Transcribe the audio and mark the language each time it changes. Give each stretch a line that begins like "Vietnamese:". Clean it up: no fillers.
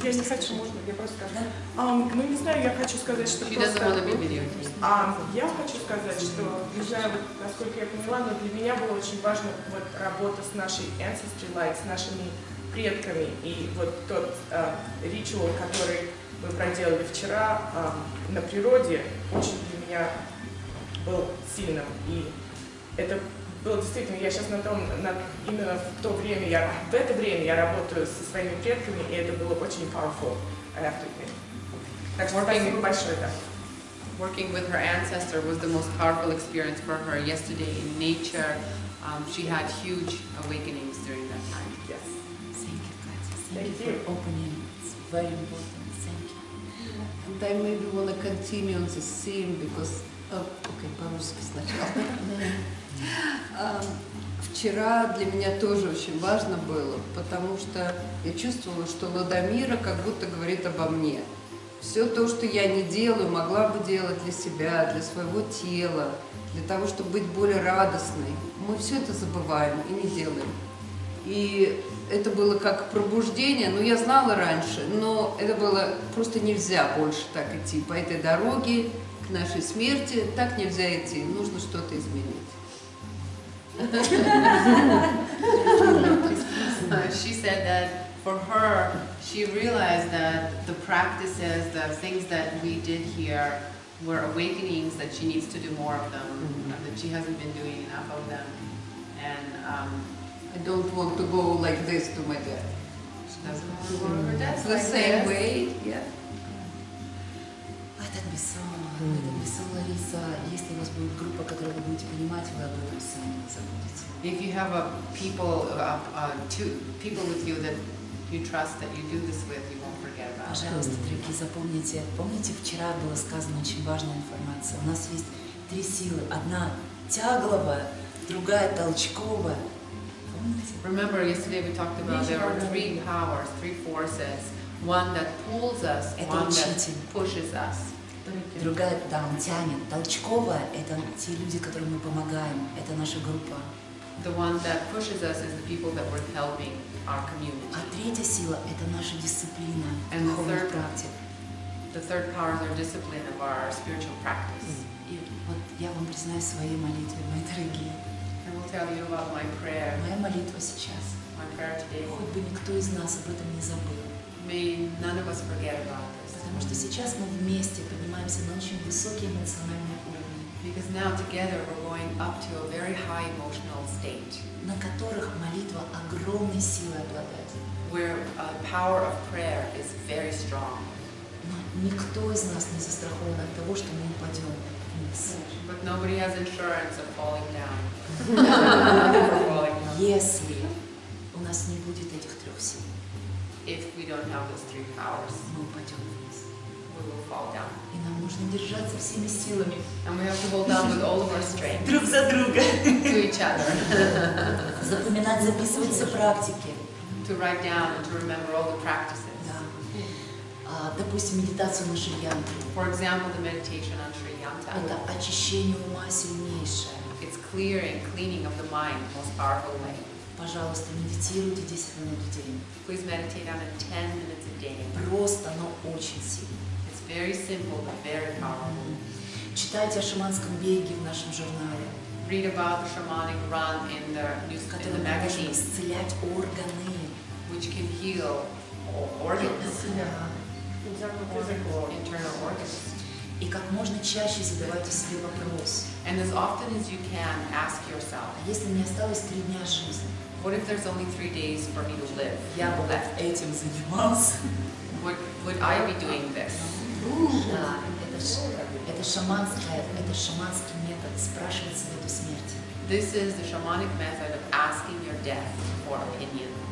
English: doesn't want to be videotaped.
Russian: Я хочу сказать, что, не знаю, вот, насколько я поняла, но для меня было очень важно вот, работа с нашей
English: ancestry light,
Russian: с нашими предками. И вот тот ритуал, который мы проделали вчера на природе, очень для меня был сильным. И это было действительно, я сейчас именно в то время, в это время я работаю со своими предками, и это было очень
English: powerful, I have to admit.
Russian: Так что спасибо большое, да.
English: Working with her ancestor was the most powerful experience for her yesterday in nature. She had huge awakenings during that time. Yes. Thank you, Katya. Thank you for opening. It's very important. Thank you. And I maybe want to continue on this theme because... Oh, okay,
Russian: по-русски сначала. Вчера для меня тоже очень важно было, потому что я чувствовала, что Ладомира как будто говорит обо мне. Все то, что я не делаю, могла бы делать для себя, для своего тела, для того, чтобы быть более радостной. Мы все это забываем и не делаем. И это было как пробуждение, ну, я знала раньше, но это было просто нельзя больше так идти по этой дороге к нашей смерти. Так нельзя идти, нужно что-то изменить.
English: She said that. For her, she realized that the practices, the things that we did here were awakenings, that she needs to do more of them, mm-hmm. that she hasn't been doing enough of them. And I don't want to go like this to my dad. She doesn't want to go to her dad. The like same this. Way, yeah.
Russian: Это бессон, Лариса. Если у вас будет группа, которую вы будете понимать, вы об этом сами не забудете.
English: If you have a people, two people with you that you trust that you do this with, you won't forget about it.
Russian: Пожалуйста, дорогие, запомните. Помните, вчера было сказано очень важная информация. У нас есть три силы. Одна тягловая, другая толчковая. Помните?
English: Remember, yesterday we talked about there are three powers, three forces. One that pulls us,
Russian: это
English: one
Russian: учитель.
English: That pushes us.
Russian: Другая, да, он тянет. Толчковая – это те люди, которым мы помогаем. Это наша группа.
English: The one that pushes us is the people that we're helping. Our community.
Russian: А третья сила – это наша дисциплина духовных практик.
English: The third power is our discipline of our spiritual practice.
Russian: И вот я вам признаюсь своей молитвой, мои дорогие.
English: I will tell you about my prayer.
Russian: Моя молитва сейчас.
English: My prayer today.
Russian: Хоть бы никто из нас об этом не забыл.
English: May none of us forget about this.
Russian: Потому что сейчас мы вместе поднимаемся на очень высокий эмоциональный уровень.
English: Because now together we're going up to a very high emotional state.
Russian: На которых молитва огромной силой обладает.
English: Where a power of prayer is very strong.
Russian: Но никто из нас не застрахован от того, что мы упадем вниз.
English: But nobody has insurance of falling down.
Russian: Если у нас не будет этих трех сил.
English: If we don't have those three powers.
Russian: Мы упадем вниз.
English: We will fall down.
Russian: И нам нужно держаться всеми силами.
English: And we have to hold on with all of our strength.
Russian: Друг за друга.
English: To each other.
Russian: Запоминать, записывать все практики.
English: To write down and to remember all the practices.
Russian: Да. Допустим, медитацию на Шри-Янтре.
English: For example, the meditation on Шри-Янтре.
Russian: Это очищение ума сильнейшее.
English: It's clearing, cleaning of the mind, most powerful way.
Russian: Пожалуйста, медитируйте 10 минут в день.
English: Please meditate on it 10 minutes a day.
Russian: Просто, но очень сильно.
English: Very simple, but very powerful.
Russian: Читайте о шаманском беге в нашем журнале.
English: read about the shamanic run in the news, in the magazines,
Russian: исцелять органы,
English: which can heal organs. Yeah. Internal organs.
Russian: И как можно чаще задавайте себе вопрос.
English: And as often as you can, ask yourself.
Russian: Если мне осталось 3 дня жизни.
English: What if there's only 3 days for me to live?
Russian: Я бы left этим занимался.
English: What would I be doing this?
Russian: Да, это шаманский метод спрашивать совет у смерти.
English: This is the shamanic method of asking your death for opinion.